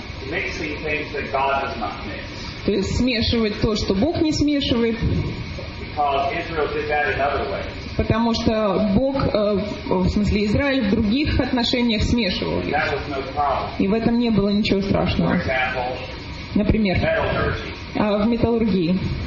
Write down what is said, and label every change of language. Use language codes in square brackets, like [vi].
[en] mixing things that God does not mix. [ru] То есть смешивать то, что Бог не смешивает. [en] Because Israel did that in other ways. [ru] Потому что Бог, в смысле Израиль, в других отношениях смешивал. [en] That was no problem. [ru] И в этом не было ничего страшного. [en] For example, [ru] например, в металлургии.